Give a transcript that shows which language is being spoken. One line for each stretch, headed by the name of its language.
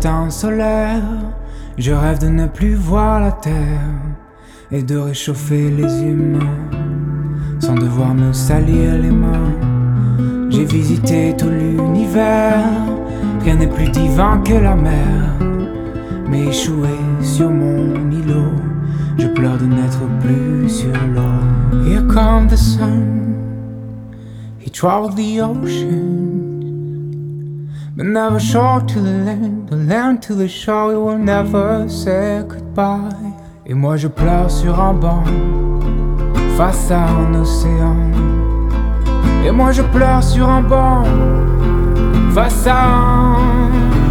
French: Solaire, je rêve de ne plus voir la terre et de réchauffer les humains sans devoir me salir les mains. J'ai visité tout l'univers, rien n'est plus divin que la mer. Mais échoué sur mon îlot, je pleure de n'être plus sur l'eau.
English: Here comes the sun, he travels the ocean. But never short to the land to the shore, we will never say goodbye.
French: Et moi je pleure sur un banc, face à un océan. Et moi je pleure sur un banc, face à un océan.